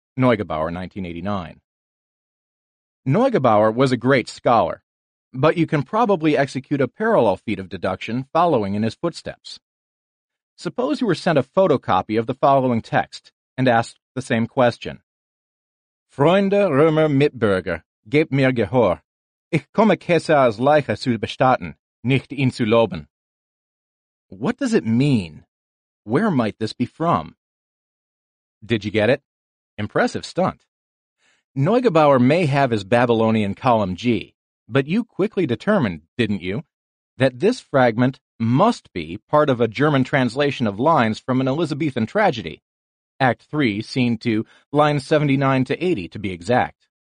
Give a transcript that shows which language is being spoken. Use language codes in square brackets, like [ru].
[en] Neugebauer, 1989. Neugebauer was a great scholar, but you can probably execute a parallel feat of deduction following in his footsteps. Suppose you were sent a photocopy of the following text and asked the same question. [de] Freunde Römer Mitbürger, gebt mir Gehör. Ich komme Caesar als Leiche zu bestatten, nicht ihn zu loben. [en] What does it mean? Where might this be from? Did you get it? Impressive stunt. Neugebauer may have his Babylonian column G, but you quickly determined, didn't you, that this fragment must be part of a German translation of lines from an Elizabethan tragedy, Act 3, Scene 2, lines 79 to 80, to be exact.